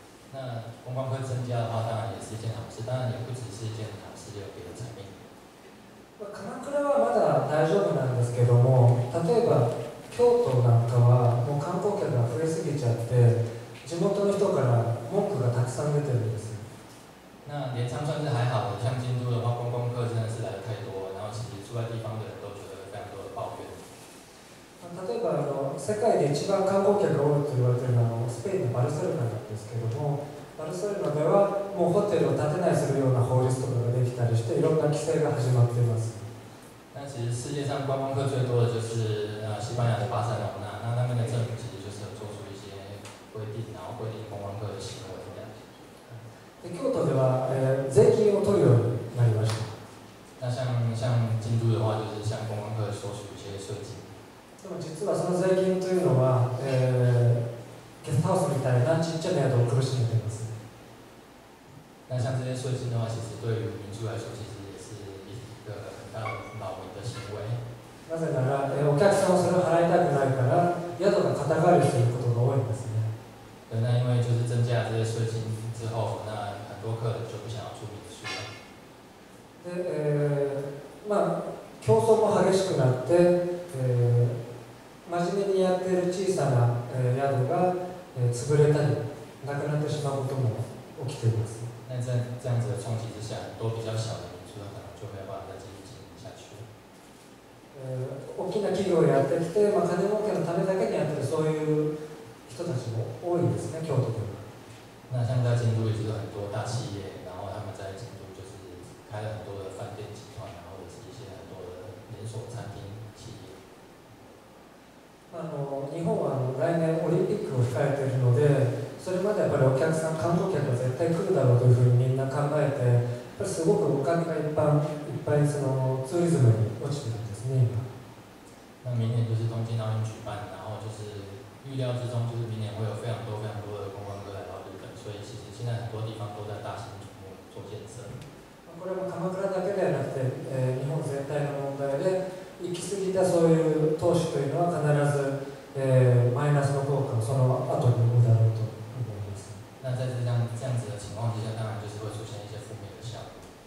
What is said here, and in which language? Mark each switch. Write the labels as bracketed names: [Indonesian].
[Chinese] 那观光客增加的话，当然也是一件好事。当然也不只是一件好事，也有别的层面。 [Japanese] まあ、鎌倉はまだ大丈夫なんですけども、例えば京都なんかはもう観光客が増えすぎちゃって、地元の人から文句がたくさん出てるんです。 [Chinese] 那镰仓算是还好的，像京都的话，观光客真的是来的太多，然后其实住在地方的人都觉得非常多的抱怨。 [Japanese] 例えば世界で一番観光客が多いと言われているのはスペインのバルセロナなんですけども、バルセロナではもうホテルを建てないするような法律とかができたりして、いろんな規制が始まっています。 [Chinese] 那其实世界上观光客最多的就是西班牙的巴塞罗那，那那边的政府其实就是有做出一些规定，然后规定观光客的行为。 [Japanese] 京都では、税金を取るようになりました。 [Chinese] 那像京都的话，就是向观光客收取一些税金。 [Japanese] でも実はその税金というのは、ゲストハウスみたいなちっちゃな宿を苦しめています。 [Chinese] 那像这些税金的话，其实对于民宿来说，其实也是一个很大的扰民的行为。 [Japanese] なぜなら、お客さんをそれを払いたくないから、宿が肩代わりすることが多いんですね。 [Chinese] 对，那因为就是增加这些税金之后，那很多客人就不想要住民宿了。 [Japanese] で、まあ競争も激しくなって、真面目にやってる小さな、宿が、潰れたり、なくなってしまうことも起きています。 [Chinese] 那在这样子的冲击之下，都比较小的民宿可能就没有办法再继续经营下去了。 [Japanese] 大きな企業やってきて、まあ金儲けのためだけにやってるそういう。人たちも多いですね、京都では。 [Chinese] 那像在京都也是很多大企业，然后他们在京都就是开了很多的饭店集团，然后或者是一些很多的连锁餐厅企业。 [Japanese] 日本は来年オリンピックを控えているので、それまでやっぱりお客さん観光客は絶対来るだろうというふうにみんな考えて、やっぱりすごくお金が一般そのツーリズムに落ちてるんですね。 [Chinese] 那明年就是东京奥运举办，然后就是。预料之中，就是明年会有非常多、非常多的观光客来到日本，所以其实现在很多地方都在大型瞩目做建设。 [Japanese] これも鎌倉だけではなくて、日本全体の問題で、行き過ぎたそういう投資というのは必ず、マイナスの効果をその後に生むだろうと思います。 [Chinese] 那在这样子的情况之下，当然就是会出现一些负面的效果。